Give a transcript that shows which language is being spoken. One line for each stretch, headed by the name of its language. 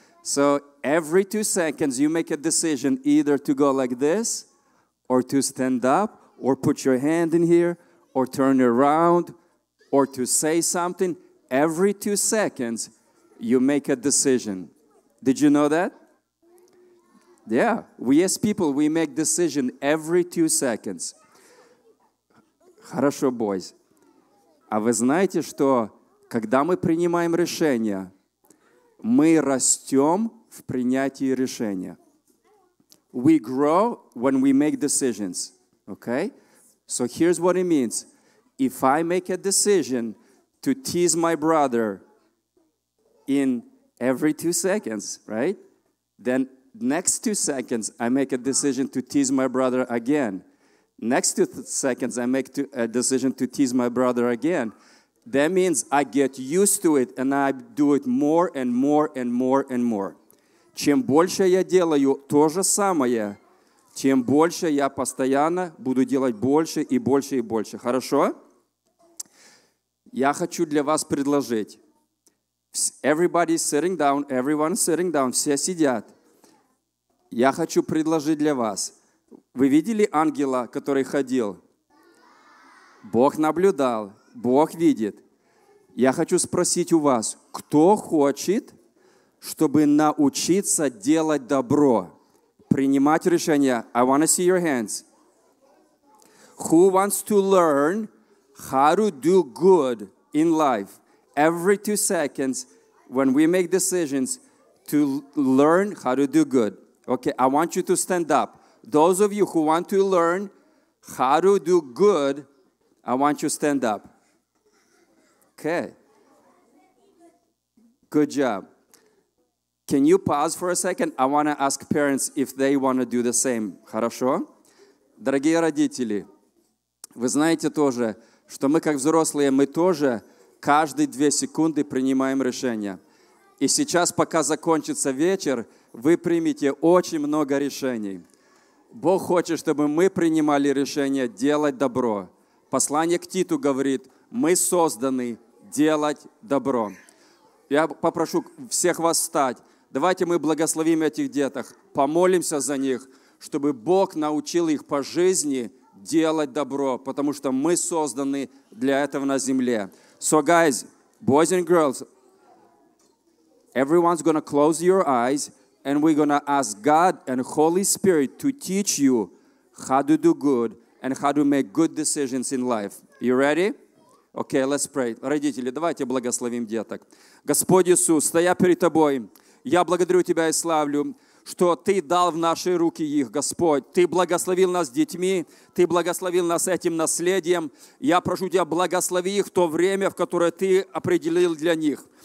English: So every 2 seconds you make a decision either to go like this or to stand up or put your hand in here or turn around or to say something. Every 2 seconds you make a decision. Did you know that? Yeah, we as people, we make decision every 2 seconds.
Russian: Хорошо,
English: boys.
Russian: А вы знаете, что когда мы принимаем решение, мы растем в принятии решения.
English: We grow when we make decisions. Okay? So here's what it means. If I make a decision to tease my brother in every 2 seconds, right? Then next 2 seconds, I make a decision to tease my brother again. Next 2 seconds, I make a decision to tease my brother again. That means I get used to it, and I do it more and more and more and more.
Russian: Чем больше я делаю то же самое, тем больше я постоянно буду делать больше и больше и больше. Хорошо? Я хочу для вас предложить.
English: Everybody is sitting down. Everyone is sitting down.
Russian: Все сидят. Я хочу предложить для вас. Вы видели ангела, который ходил? Бог наблюдал. Бог видит. Я хочу спросить у вас, кто хочет, чтобы научиться делать добро, принимать решения?
English: I want to see your hands. Who wants to learn how to do good in life? Every 2 seconds, when we make decisions, to learn how to do good. Okay, I want you to stand up. Those of you who want to learn how to do good, I want you to stand up. Okay. Good job. Can you pause for a second? I want to ask parents if they want to do the same.
Russian: Хорошо? Дорогие родители, вы знаете тоже, что мы как взрослые, мы тоже каждые 2 секунды принимаем решения. И сейчас, пока закончится вечер, вы примете очень много решений. Бог хочет, чтобы мы принимали решение делать добро. Послание к Титу говорит, мы созданы делать добро. Я попрошу всех вас встать. Давайте мы благословим этих деток, помолимся за них, чтобы Бог научил их по жизни делать добро, потому что мы созданы для этого на земле.
English: So guys, boys and girls, everyone's gonna close your eyes and we're gonna ask God and Holy Spirit to teach you how to do good and how to make good decisions in life. You ready? Okay, let's pray.
Russian: Родители, давайте благословим деток. Господь Иисус, стоя перед Тобой, я благодарю Тебя и славлю, что Ты дал в наши руки их, Господь. Ты благословил нас детьми, Ты благословил нас этим наследием. Я прошу Тебя, благослови их в то время, в которое Ты определил для них.